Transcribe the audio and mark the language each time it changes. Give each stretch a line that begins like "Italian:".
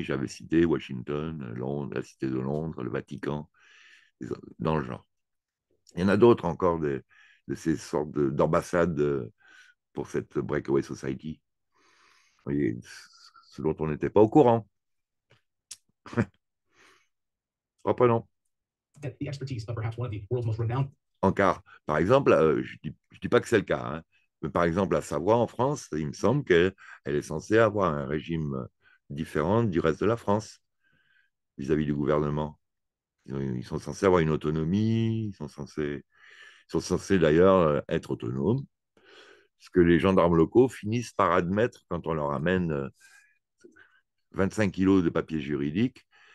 French: J'avais cité Washington, Londres, la Cité de Londres, le Vatican, dans le genre. Il y en a d'autres encore de ces sortes d'ambassades pour cette Breakaway Society. Et ce dont on n'était pas au courant. Reprenons.
English: The expertise of perhaps one of the world's most renowned.
French: Encore, par exemple, je dis pas que c'est le cas, hein, mais par exemple, la Savoie en France, il me semble qu'elle est censée avoir un régime différent du reste de la France vis-à-vis du gouvernement. Ils sont censés avoir une autonomie, ils sont censés d'ailleurs être autonomes, ce que les gendarmes locaux finissent par admettre quand on leur amène 25 kilos de papier juridique.